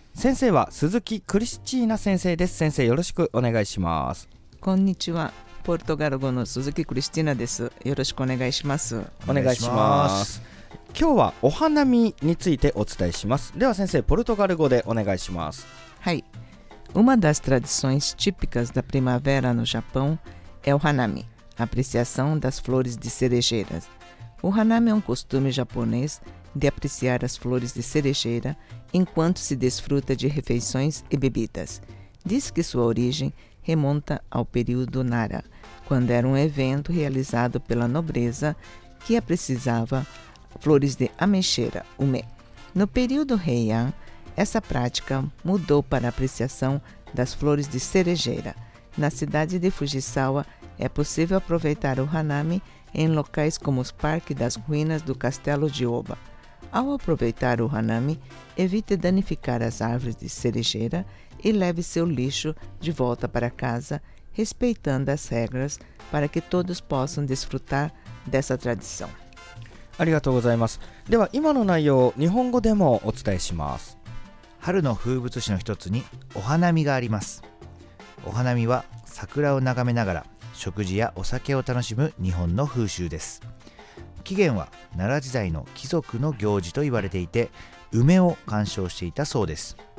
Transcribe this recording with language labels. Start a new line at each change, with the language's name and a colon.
Japanese: 先生は鈴木クリスチーナ先生です。先生よろしくお願いします。こんにちは、ポルトガル語の鈴木クリスチーナです。よろしくお願いします。お願いします。今日はお花見についてお伝えします。では先生、ポルトガル語でお願いします。はい。
Portuguese: Uma das tradições típicas da primavera no Japão é o hanami, apreciação das flores de cerejeiras. O hanami é um costume japonês de apreciar as flores de cerejeira enquanto se desfruta de refeições e bebidas. Diz que sua origem remonta ao período Nara, quando era um evento realizado pela nobreza que apreciava flores de ameixeira, ume. No período Heian, essa prática mudou para a apreciação das flores de cerejeira. Na cidade de Fujisawa, é possível aproveitar o hanami em locais como os parques das ruínas do castelo de Oba. Ao aproveitar o hanami, evite danificar as árvores de cerejeira e leve seu lixo de volta para casa, respeitando as regras para que todos possam desfrutar dessa tradição.
Japanese: ありがとうございます。では今の内容を日本語でもお伝えします。春の風物詩の一つにお花見があります。お花見は桜を眺めながら食事やお酒を楽しむ日本の風習です。起源は奈良時代の貴族の行事と言われていて、梅を鑑賞していたそうです。